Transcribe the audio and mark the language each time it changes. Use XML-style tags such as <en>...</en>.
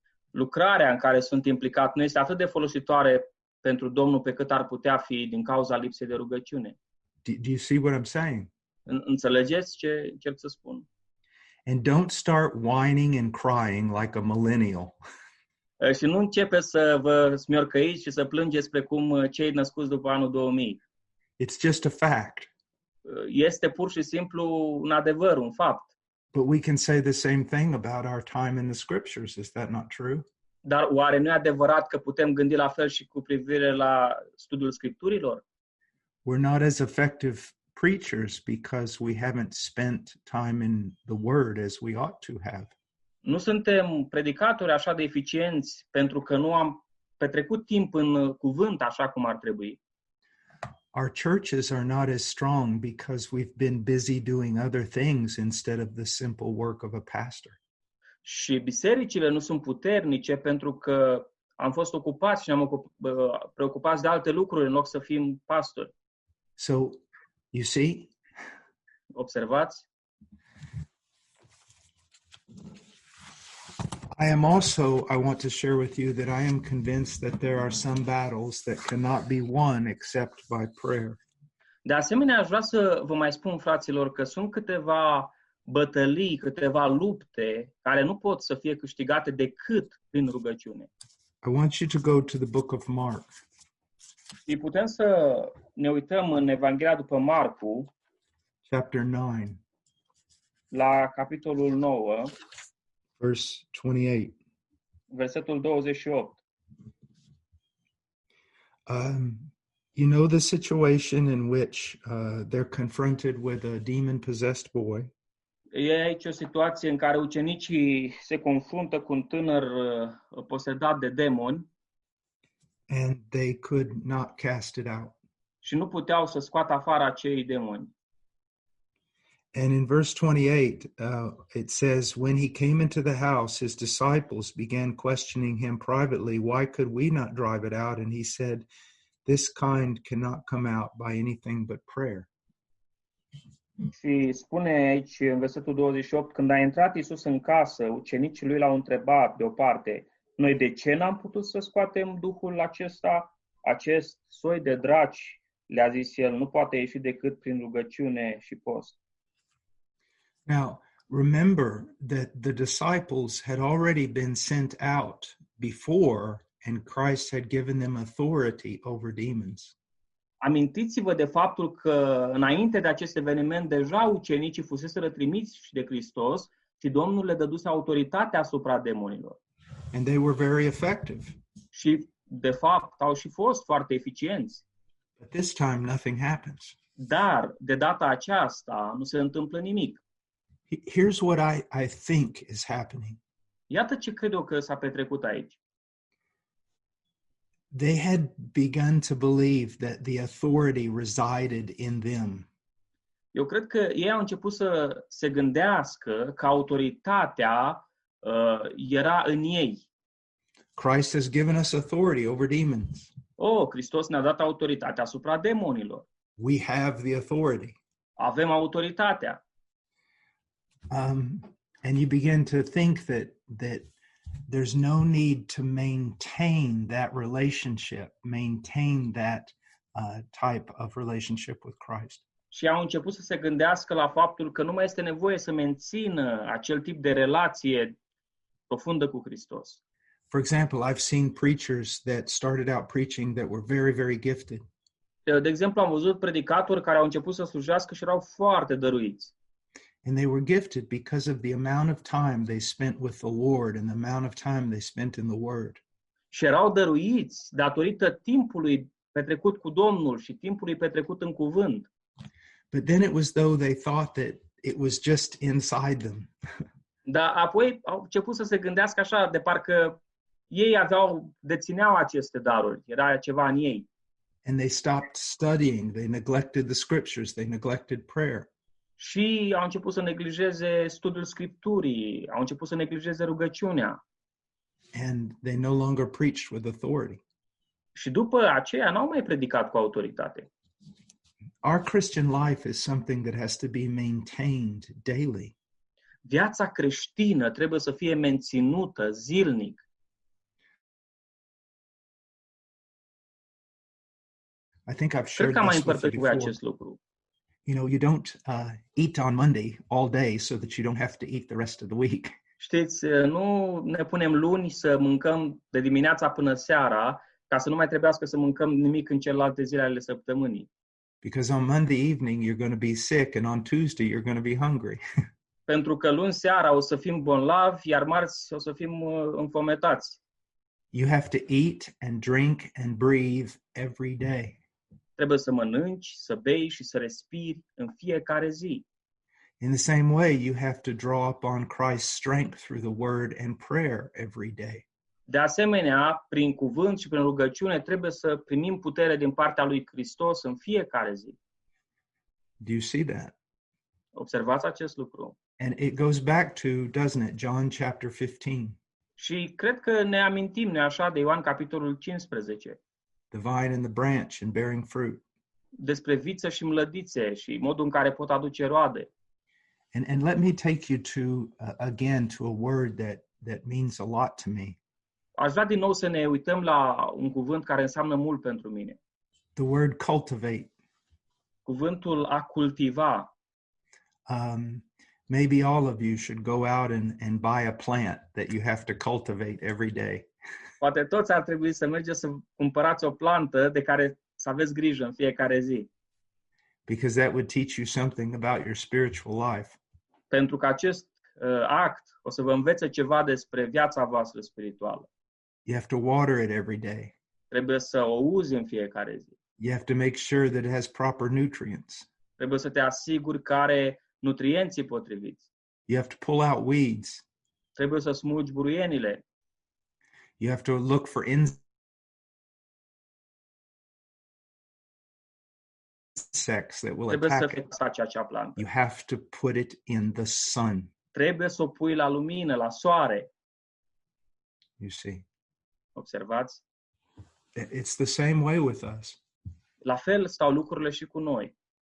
<ro>Lucrarea în care sunt implicat nu este atât de folositoare pentru Domnul pe cât ar putea fi din cauza lipsei de rugăciune.</ro> <en>Do you see what I'm saying?</en> <ro>Înțelegeți ce încerc să spun?</ro> <en>And don't start whining and crying like a millennial.</en> <ro>Și nu începe să vă smiorcăiți și să plângeți precum cei născuți după anul 2000.</ro> <en>It's just a fact.</en> <ro>Este pur și simplu un adevăr, un fapt.</ro> <en>But we can say the same thing about our time in the scriptures, is that not true?</en> <ro>Dar oare nu e adevărat că putem gândi la fel și cu privire la studiul scripturilor?</ro> <en>We're not as effective preachers because we haven't spent time in the word as we ought to have.</en> <ro>Nu suntem predicatori așa de eficienți pentru că nu am petrecut timp în cuvânt așa cum ar trebui.</ro> <en>Our churches are not as strong because we've been busy doing other things instead of the simple work of a pastor.</en> <ro>Și bisericile nu sunt puternice pentru că am fost ocupați și ne-am preocupați de alte lucruri în loc să fim pastori.</ro> <en>So, you see?</en> <ro>Observați?</ro> <en>I am also, I want to share with you that I am convinced that there are some battles that cannot be won except by prayer.</en> <ro>De asemenea, aș vrea să vă mai spun, fraților, că sunt câteva bătălii, câteva lupte care nu pot să fie câștigate decât prin rugăciune.</ro> <en>I want you to go to the book of Mark.</en> <ro>Și putem să ne uităm în Evanghelia după Marcu,</ro> <en>chapter 9,</en> <ro>la capitolul 9.</ro> <en>Verse 28.</en> <ro>Versetul 28.</ro> <en>You know the situation in which they're confronted with a demon-possessed boy.</en> <ro>E aici o situație în care ucenicii se confruntă cu un tânăr posedat de demoni.</ro> <en>And they could not cast it out.</en> <ro>Și nu puteau să scoată afară acei demoni.</ro> <en>And in verse 28, it says, when he came into the house, his disciples began questioning him privately, why could we not drive it out? And he said, this kind cannot come out by anything but prayer.</en> <ro>Și spune aici în versetul 28, când a intrat Iisus în casă, ucenicii lui l-au întrebat de o parte, noi de ce n-am putut să scoatem duhul acesta, acest soi de draci, le-a zis el, nu poate ieși decât prin rugăciune și post.</ro> <en>Now, remember that the disciples had already been sent out before and Christ had given them authority over demons.</en> <ro>Amintiți-vă de faptul că înainte de acest eveniment deja ucenicii fuseseră trimiți și de Hristos și Domnul le dăduse autoritatea asupra demonilor.</ro> <en>And they were very effective.</en> <ro>Și de fapt au și fost foarte eficienți.</ro> <en>But this time nothing happens.</en> <ro>Dar de data aceasta nu se întâmplă nimic.</ro> <en>Here's what I think is happening.</en> <ro>Iată ce cred eu că s-a petrecut aici.</ro> <en>They had begun to believe that the authority resided in them.</en> <ro>Eu cred că ei au început să se gândească că autoritatea era în ei.</ro> <en>Christ has given us authority over demons.</en> <ro>Oh, Hristos ne-a dat autoritatea asupra demonilor.</ro> <en>We have the authority.</en> <ro>Avem autoritatea.</ro> <en>And you begin to think that there's no need to maintain that relationship, maintain that type of relationship with Christ.</en> <ro>Și au început să se gândească la faptul că nu mai este nevoie să mențină acel tip de relație profundă cu Hristos.</ro> <en>For example, I've seen preachers that started out preaching that were very, very gifted.</en> <ro>De exemplu, am văzut predicatori care au început să slujească și erau foarte dăruiți.</ro> <en>And they were gifted because of the amount of time they spent with the Lord and the amount of time they spent in the Word.</en> <ro>Și erau dăruiți datorită timpului petrecut cu Domnul și timpului petrecut în cuvânt.</ro> <en>But then it was though they thought that it was just inside them.</en> <ro>Dar apoi au început să se gândească așa, de parcă ei aveau, dețineau aceste daruri, era ceva în ei.</ro> <en>And they stopped studying, they neglected the scriptures, they neglected prayer.</en> <ro>Și au început să neglijeze studiul Scripturii, au început să neglijeze rugăciunea.</ro> <en>And they no longer preached with authority.</en> <ro>Și după aceea n-au mai predicat cu autoritate.</ro> <en>Our Christian life is something that has to be maintained daily.</en> <ro>Viața creștină trebuie să fie menținută zilnic.</ro> <en>I think I've shared this with you before. You know, you don't eat on Monday all day so that you don't have to eat the rest of the week.</en> <ro>Știți, nu ne punem luni să mâncăm de dimineața până seara ca să nu mai trebuiască să mâncăm nimic în celelalte zile ale săptămânii.</ro> <en>Because on Monday evening you're going to be sick and on Tuesday you're going to be hungry.</en> <ro>Pentru că luni seara o să fim bolnavi, iar marți o să fim înfometați.</ro> <en>You have to eat and drink and breathe every day.</en> <ro>Trebuie să mănânci, să bei și să respiri în fiecare zi.</ro> <en>In the same way, you have to draw upon Christ's strength through the word and prayer every day.</en> <ro>De asemenea, prin cuvânt și prin rugăciune, trebuie să primim putere din partea lui Hristos în fiecare zi.</ro> <en>Do you see that?</en> <ro>Observați acest lucru.</ro> <en>And it goes back to, doesn't it, John chapter 15.</en> <ro>Și cred că ne amintim, nu-i așa, de Ioan capitolul 15.</ro> <en>The vine and the branch and bearing fruit.</en> <ro>Despre viță și mlădițe și modul în care pot aduce roade.</ro> <en>And let me take you to again to a word that means a lot to me.</en> <ro>Aș vrea din nou să ne uităm la un cuvânt care înseamnă mult pentru mine.</ro> <en>The word cultivate.</en> <ro>Cuvântul a cultiva.</ro> <en>Maybe all of you should go out and buy a plant that you have to cultivate every day.</en> <ro>Poate toți ar trebui să mergeți să cumpărați o plantă de care să aveți grijă în fiecare zi.</ro> <en>Because that would teach you something about your spiritual life.</en> <ro>Pentru că acest act o să vă învețe ceva despre viața voastră spirituală.</ro> <en>You have to water it every day.</en> <ro>Trebuie să o uzi în fiecare zi.</ro> <en>You have to make sure that it has proper nutrients.</en> <ro>Trebuie să te asiguri că are nutrienții potriviți.</ro> <en>You have to pull out weeds.</en> <ro>Trebuie să smulgi buruienile.</ro> <en>You have to look for insects that will</en> <ro>trebuie</ro> <en>attack</en> <ro>să faci acea cea plantă.</ro> <en>You have to put it in the sun.</en> <ro>Trebuie să o pui la lumină, la soare.</ro> <en>You see.</en> <ro>Observați.</ro> <en>It's the same way with us.</en> <ro>La fel stau lucrurile și cu noi.</ro>